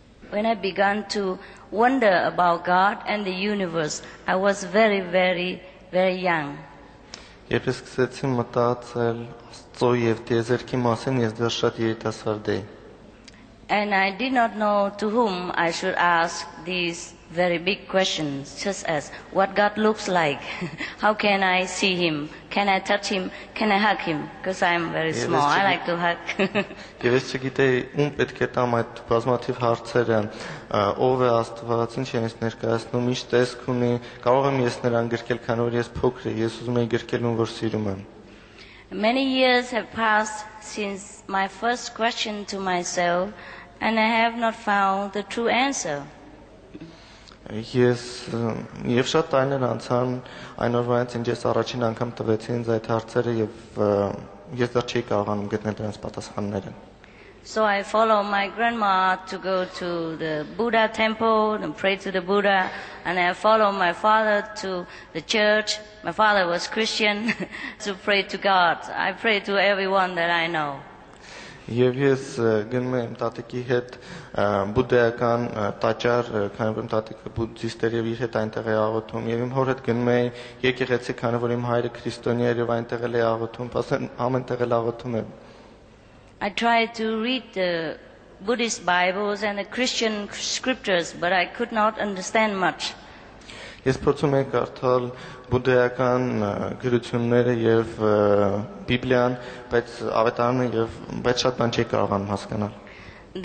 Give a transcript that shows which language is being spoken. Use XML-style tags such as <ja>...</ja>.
<en>When I began to wonder about God and the universe, I was very, very, very young.</en> <hy>Երբ սկսեցի մտածել Աստծո եւ Տիեզերքի մասին, ես դեռ շատ երիտասարդ էի.</hy> <en>And I did not know to whom I should ask these very big questions, just as what God looks like, how can I see him, can I touch him, can I hug him, because I am very small, I like to hug.</en> <hy>Եվ ես չգիտեի ում պետք է տամ այդ բազմաթիվ հարցերը, ով է Աստված, ինչ է ինձ ներկայացնում, ինչ տեսք ունի, կարող եմ ես նրան գրկել, քանի որ ես փոքր եմ, ես ուզում եմ գրկել ում, որ սիրում եմ։</hy> <en>Many years have passed since my first question to myself, and I have not found the true answer.</en> <hy>Ես եւ շատ տարիներ անցան այն օրվանից, ինչ ես առաջին անգամ տվեցի ինձ այդ հարցերը, եւ ես դեռ չի կարողանում գտնել դրանց պատասխանները։</hy> <en>So I follow my grandma to go to the Buddha temple and pray to the Buddha, and I follow my father to the church. My father was Christian, to pray to God. I pray to everyone that I know.</en> <hy>Եվ ես գնում եմ տատիկի հետ բուդդայական տաճար, քանի որ իմ տատիկը բուդդիստ էր եւ իր հետ այնտեղ է աղոթում, եւ իմ հոր հետ գնում էին եկեղեցի, քանի որ իմ հայրը քրիստոնյա էր եւ այնտեղ էլ է աղոթում, ասեն ամենտեղ էլ աղոթում է.</hy> <en>I tried to read the Buddhist Bibles and the Christian scriptures, but I could not understand much.</en> <hy>Ես փորձում եմ կարդալ բուդդայական գրությունները եւ Բիբլիան, բայց ավետարանը եւ բայց շատ բան չի կարողանում հասկանալ։</hy>